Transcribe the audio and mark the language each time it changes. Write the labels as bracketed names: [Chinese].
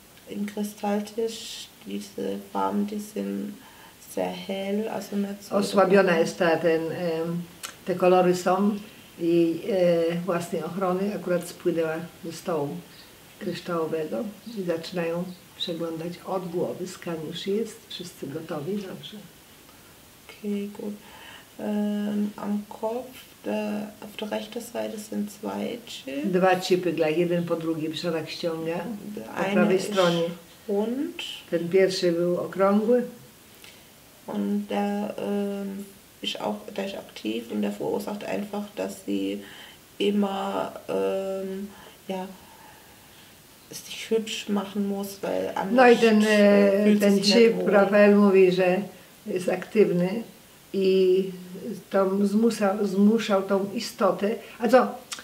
[German] Im Kristalltisch, diese Farben, die sind sehr hell, also nicht so. [Polish] Osłabiona jest ta, ten, te kolory są jej własnej ochrony, akurat spłynęła ze stołu kryształowego i zaczynają przeglądać od głowy. Skan już jest, wszyscy gotowi, dobrze. Okej, okay, gut. [German] Am Kopf, auf der rechten Seite sind zwei Chips. [Polish] Dwa chipy, jeden po drugim, Szanak ściąga. Po prawej stronie. [German] Rund. [Polish] Ten pierwszy był okrągły. [German] Und der ist auch, der ist aktiv und der verursacht einfach, dass sie immer ja, sich hübsch machen muss, weil anders. [Polish] No i ten, ten chip, Rafael mówi, że jest aktywny. I to zmuszał tą istotę. A co?